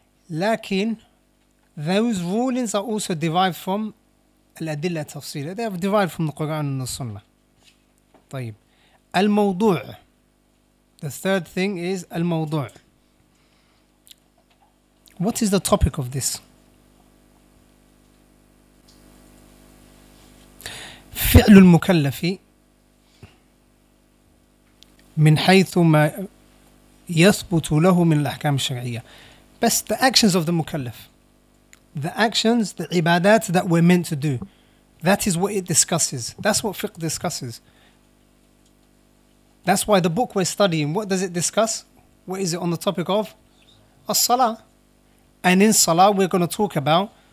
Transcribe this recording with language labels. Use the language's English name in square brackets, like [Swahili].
[English] Lakin, those rulings are also derived from al-adilla tafsila. They are derived from the Quran and the Sunnah. [Arabic] طيب. الموضوع. [English] The third thing is الموضوع. What is the topic of this? [Arabic] فعل المكلف من حيث ما يثبت له من الأحكام الشرعية. بس [English] the actions of the مكلف. The actions, the عبادات that we're meant to do. That is what it discusses. That's what fiqh discusses. That's why the book we're studying, what does it discuss? What is it on the topic of? As-Salaah. And in Salaah, we're going to talk about